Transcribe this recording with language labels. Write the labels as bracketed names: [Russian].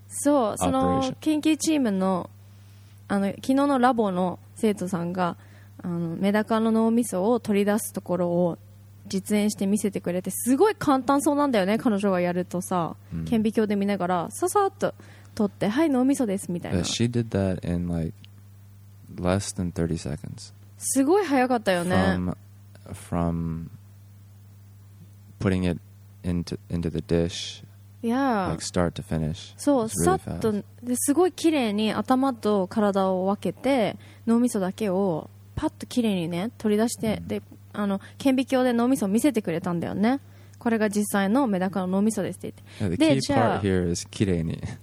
[Japanese] そう、その研究チームの、あの、昨日のラボの生徒さんが、あの、メダカの脳みそを取り出すところを実演して見せてくれて、すごい簡単そうなんだよね、彼女がやるとさ、顕微鏡で見ながら、ささっと取って、はい、脳みそです、みたいな。 [English] She did that in like less than 30 seconds. [Japanese] すごい早かったよね。 [English] From putting itInto the dish, like start to finish. [Japanese] そう、さっと、すごい綺麗に頭と体を分けて、脳みそだけをパッと綺麗にね取り出して、で、あの顕微鏡で脳みそを見せてくれたんだよね。これが実際のメダカの脳みそですって言って。 [English] Yeah, the key part here is [Japanese] 綺麗に。